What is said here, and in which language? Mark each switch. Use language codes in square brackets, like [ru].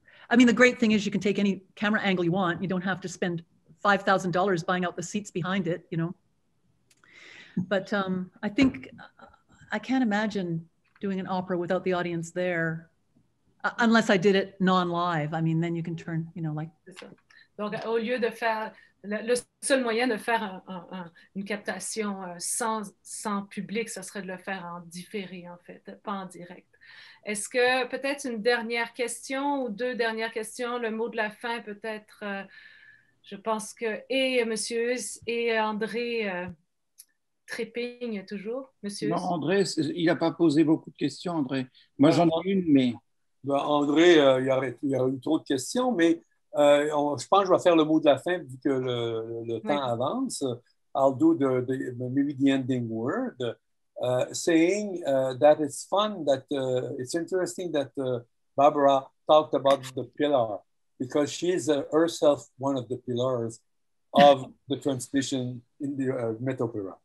[en] I mean, the great thing is you can take any camera angle you want. You don't have to spend $5,000 buying out the seats behind it, you know. But I think I can't imagine doing an opera without the audience there, unless I did it non-live. I mean, then you can turn, you know, like... [fr] Donc, au lieu de faire... Le seul moyen de faire une captation sans public, ce serait de le faire en différé, en fait, pas en direct. Est-ce que peut-être une dernière question ou deux dernières questions, le mot de la fin peut-être, je pense que et M. Huss et André trépignent toujours. Monsieur non, André, il n'a pas posé beaucoup de questions, André. Moi, j'en ai une, mais... Ben, André, il y a eu trop de questions, mais... je pense que je vais faire le mot de la fin vu que le temps avance. [en] I'll do maybe the ending word, saying that it's fun, that it's interesting that Barbara talked about the pillar, because she is herself one of the pillars of the transmission in the Met Opera.